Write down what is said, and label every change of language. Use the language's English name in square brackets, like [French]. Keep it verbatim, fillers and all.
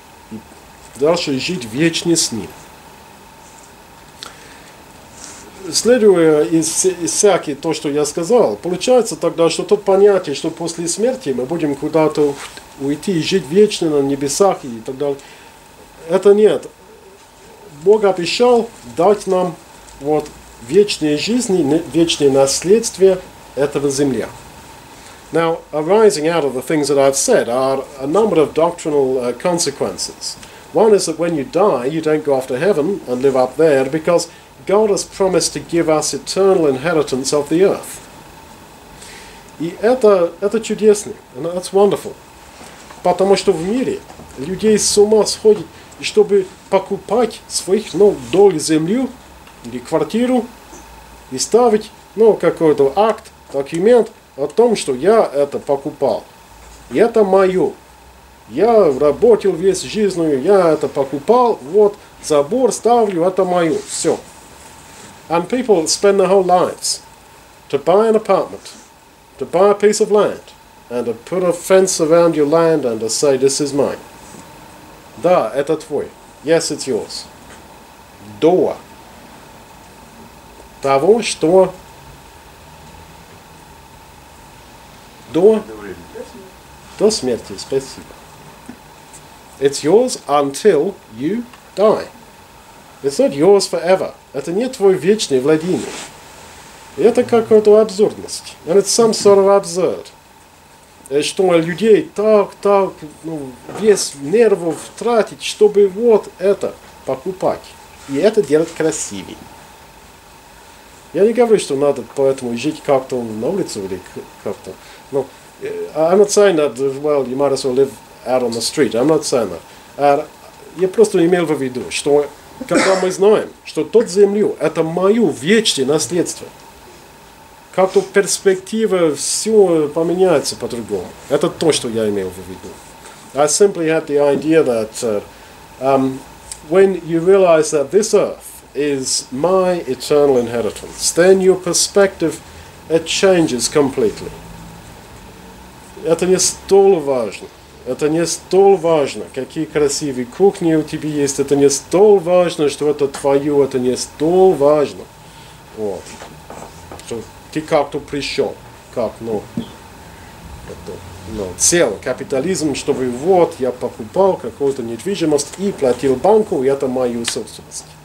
[Russian] И дальше жить вечно с Ним. Следуя из, из всяких то, что я сказал, получается тогда, что то понятие, что после смерти мы будем куда-то уйти и жить вечно на небесах и так далее, это нет. Бог обещал дать нам вот вечные жизни, вечные наследствия этого земля. [English] Now, arising out of the things that I've said are a number of doctrinal uh, consequences. One is that when you die, you don't go off to heaven and live up there because God has promised to give us eternal inheritance of the earth. [Russian] И это, это чудесно. [English] And that's wonderful. [Russian] Потому что в мире людей с ума сходит, чтобы покупать своих, ну, долю землю или квартиру и ставить, ну, какой-то акт, документ о том, что я это покупал. И это мое. Я работал весь жизнью, я это покупал, вот, забор ставлю, это мое. Все. [English] And people spend their whole lives to buy an apartment, to buy a piece of land, and to put a fence around your land and to say, this is mine. [Russian] Да, это твой. [English] Yes, it's yours. [Russian] До того, что До, до смерти, спасибо. [English] It's yours until you die. It's not yours forever. [Russian] Это не твое вечное владение. Это какая-то абсурдность. [English] And it's some sort of absurd. [Russian] Что людей так, так, ну, весь нервов тратить, чтобы вот это покупать. И это делать красивее. Я не говорю, что надо поэтому жить как-то на улице или как-то. [English] No, I'm not saying that, well, you might as well live out on the street. I'm not saying that. [Russian] Я просто имел в виду, что когда мы знаем, что тот землю, это мое вечное наследство, как-то перспектива, все поменяется по-другому. Это то, что я имел в виду. [English] I simply had the idea that uh, um, when you realize that this earth is my eternal inheritance, then your perspective, it changes completely. [Russian] Это не столь важно. Это не столь важно, какие красивые кухни у тебя есть. Это не столь важно, что это твое. Это не столь важно. Вот. Что ты как-то пришел. Как, ну, это, ну, целый капитализм, чтобы вот я покупал какую-то недвижимость и платил банку, и это мою собственность.